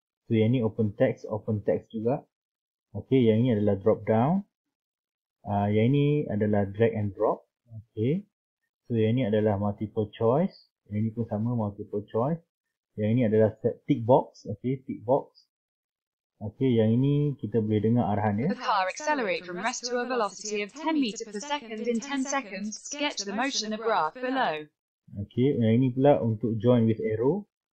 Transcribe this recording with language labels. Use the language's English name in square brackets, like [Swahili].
[Malay] So yang ni open text juga. Okay, yang ni adalah drop down. Yang ini adalah drag and drop. Okay. So yang ni adalah multiple choice. Yang ini pun sama multiple choice. Yang ini adalah tick box. Okay, tick box. Okay, yang ini kita boleh dengar arahan dia. [English] The car accelerate from rest to a velocity of 10 meter per second in 10 seconds. Sketch the motion of graph below. [Malay] Okay, yang ini pula untuk join with arrow.